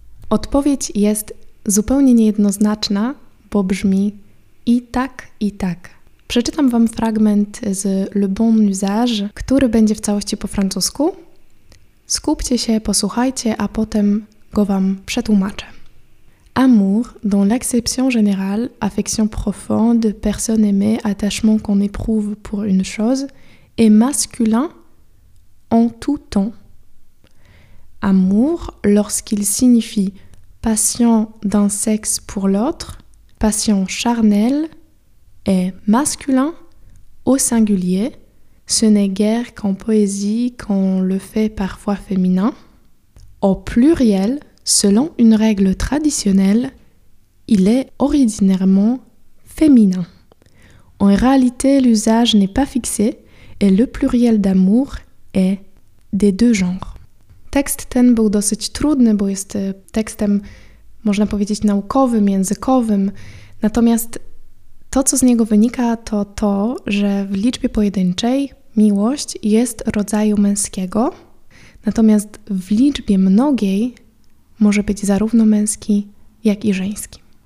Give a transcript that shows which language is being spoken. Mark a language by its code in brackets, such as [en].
[pl] Odpowiedź jest zupełnie niejednoznaczna, bo brzmi i tak, i tak. Przeczytam wam fragment z Le Bon Usage, który będzie w całości po francusku. Skupcie się, posłuchajcie, a potem go wam przetłumaczę. [fr] Amour, dans l'acception générale, affection profonde, personne aimée, attachement qu'on éprouve pour une chose, est masculin en tout temps. Amour, lorsqu'il signifie passion d'un sexe pour l'autre, passion charnelle, est masculin au singulier. Ce n'est guère qu'en poésie qu'on le fait parfois féminin. Au pluriel, selon une règle traditionnelle, il est ordinairement féminin. En réalité, l'usage n'est pas fixé et le pluriel d'amour est des deux genres. [pl] Tekst ten był dosyć trudny, bo jest tekstem, można powiedzieć, naukowym, językowym. Natomiast to, co z niego wynika, to to, że w liczbie pojedynczej miłość jest rodzaju męskiego. Natomiast w liczbie mnogiej może być zarówno męski, jak i żeński.